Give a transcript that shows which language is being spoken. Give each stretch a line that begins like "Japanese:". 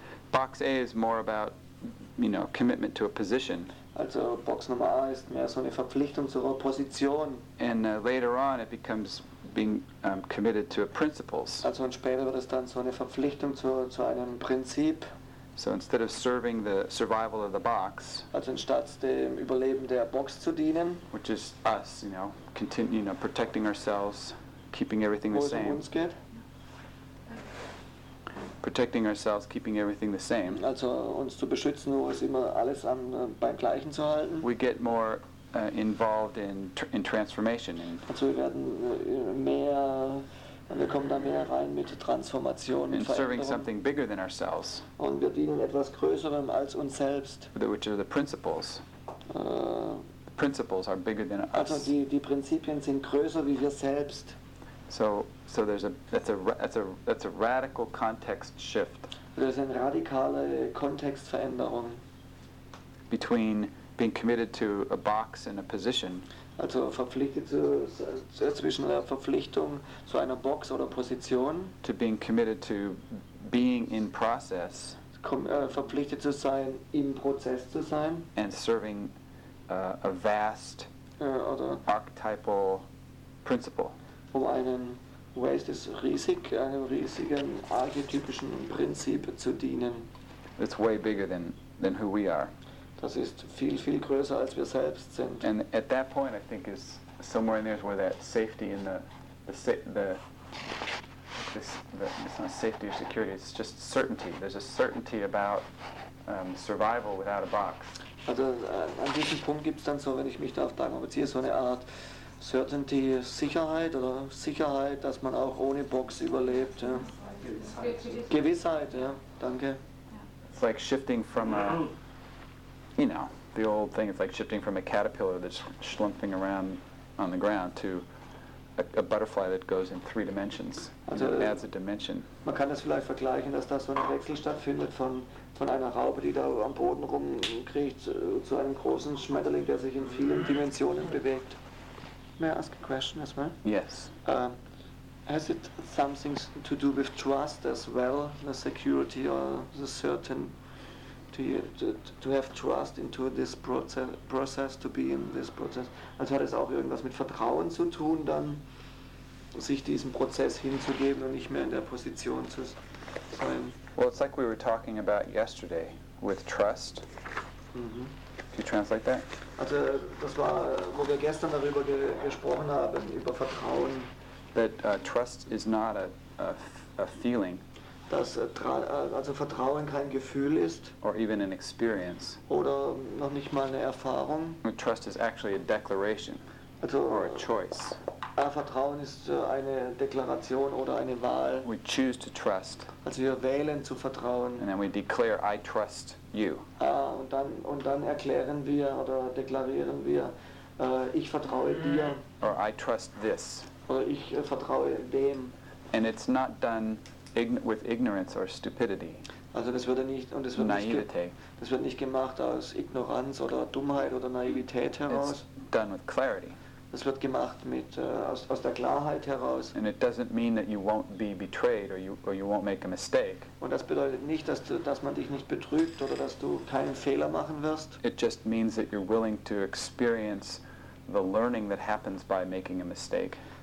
English: Box A is more about, you know, commitment to a position.
German: Also Box Nummer A ist mehr so eine Verpflichtung zur Position.
English: And later on it becomes being committed to a principles.
German: Also und später wird es dann so eine Verpflichtung zu einem Prinzip.
English: So instead of serving the survival of the box.
German: Also anstatt dem Überleben der Box zu dienen.
English: Which is us, you know, continue, you know, protecting ourselves, keeping everything the same.
German: Wo es um uns geht.
English: Protecting ourselves, keeping everything the same.
German: Also uns zu beschützen, wo es immer alles an beim Gleichen zu halten.
English: We get more involved in transformation. In
German: also wir werden mehr, wir kommen da mehr rein mit Transformation.
English: In serving something bigger than ourselves.
German: Und wir dienen etwas Größerem als uns selbst.
English: Which are the principles. The principles are bigger than us.
German: Also die Prinzipien sind größer wie wir selbst.
English: So there's a that's a radical context shift.
German: Das ist eine radikale Kontextveränderung.
English: Between being committed to a box and a position.
German: Also verpflichtet zwischen einer Verpflichtung zu einer Box oder Position.
English: To being committed to being in process.
German: Verpflichtet zu sein im Prozess zu sein.
English: And serving a vast
German: oder
English: archetypal principle.
German: Um einen, wo ist es riesig, einem riesigen archetypischen Prinzip zu dienen.
English: It's way bigger than who we are.
German: Das ist viel, viel größer als wir selbst sind.
English: And at that point I think is somewhere in there is where that safety in it's not safety or security, it's just certainty. There's a certainty about survival without a box.
German: Also an diesem Punkt gibt es dann so, wenn ich mich darauf sagen, aber es ist so eine Art Certainty, Sicherheit oder Sicherheit, dass man auch ohne Box überlebt. Ja. Gewissheit, ja, danke.
English: It's like shifting from a, you know, the old thing, it's like shifting from a caterpillar that's schlumping around on the ground to a butterfly that goes in three dimensions.
German: Also,
English: and it adds a dimension.
German: Man kann das vielleicht vergleichen, dass da so ein Wechsel stattfindet von einer Raupe, die da am Boden rumkriecht, zu einem großen Schmetterling, der sich in vielen Dimensionen bewegt.
English: May I ask a question as well? Yes. Has it something to do with trust as well, the security or the certain, to have trust into this process, to be in this process?
German: Also hat es auch irgendwas mit Vertrauen zu tun, dann sich diesem Prozess hinzugeben und nicht mehr in der Position zu sein?
English: Well, it's like we were talking about yesterday, with trust. Mm-hmm. You translate that?
German: Also, das war, wo wir gestern darüber gesprochen haben, über Vertrauen.
English: That trust is not a feeling.
German: Dass also Vertrauen kein Gefühl ist.
English: Or even an experience.
German: Oder noch nicht mal eine Erfahrung.
English: But trust is actually a declaration.
German: Also,
English: or a choice.
German: Vertrauen ist eine Deklaration oder eine Wahl.
English: We choose to trust.
German: Also wir wählen zu vertrauen.
English: And then we declare, I trust you.
German: Und dann erklären wir oder deklarieren wir, ich vertraue dir.
English: Or I trust this.
German: Oder ich vertraue dem.
English: And it's not done with ignorance or stupidity.
German: Also das wird nicht und das wird nicht gemacht aus Ignoranz oder Dummheit oder Naivität heraus.
English: It's done with clarity.
German: Das wird gemacht mit aus der Klarheit heraus.
English: And it doesn't mean that you won't be betrayed or you won't make a mistake.
German: Und das bedeutet nicht, dass man dich nicht betrügt oder dass du keinen Fehler machen wirst.
English: It just means that you're willing to experience the learning that happens by making a mistake.